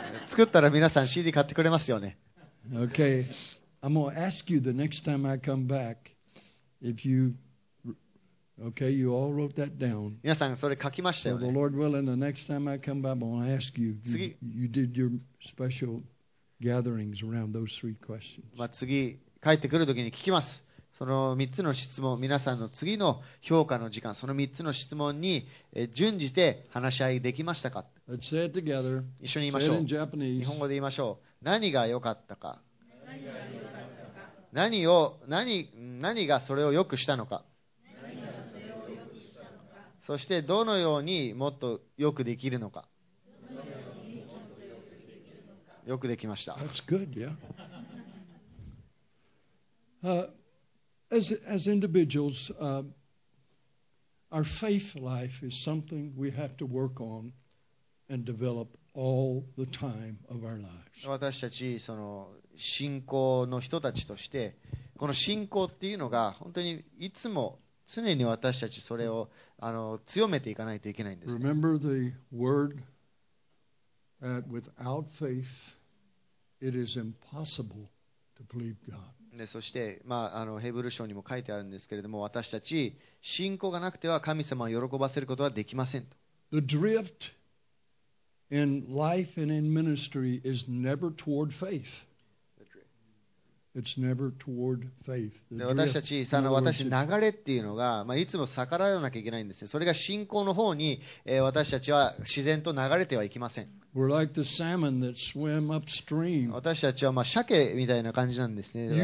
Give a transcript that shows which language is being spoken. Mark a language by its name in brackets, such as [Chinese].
[Japanese] 作ったら皆さん CD 買ってくれますよね。 [English] Okay, I'm gonna ask you the next time I come back if you okay, you all wrote that down. [Japanese] 皆さんそれ書きましたよね。 [English] So the Lord willing, the next time I come back, I'm gonna ask you. You did your special gatherings around those three questions. [Japanese] まあ次。帰ってくるときに聞きます。その3つの質問、皆さんの次の評価の時間、その3つの質問に準じて話し合いできましたか？ [English] Let's say it together. [Japanese] 一緒に言いましょう。 [English] In Japanese. [Japanese] 日本語で言いましょう。何が良かったか。何がそれを良くしたのか。そしてどのようにもっと良くできるのか。よくできました。 [English] That's good, yeah. As individuals, our faith life is something we have to work on and develop all the time of our lives. [Japanese] 私たちその信仰の人たちとして、この信仰っていうのが本当にいつも常に私たちそれをあの強めていかないといけないんです、ね。 [English] Remember the word that without faith, it is impossible to believe God. [Japanese] でそして、まあ、あのヘブル書にも書いてあるんですけれども、私たち信仰がなくては神様を喜ばせることはできませんと。 [English] The drift in life and in ministry is never toward faith. It's never toward faith. [Japanese] で私たち、その私流れっていうのが、まあ、いつも逆らわなきゃいけないんですね。それが信仰の方に、私たちは自然と流れてはいけません。 [English] We're like the salmon that swim upstream. [Japanese] 私たちはまあ鮭みたいな感じなんですね。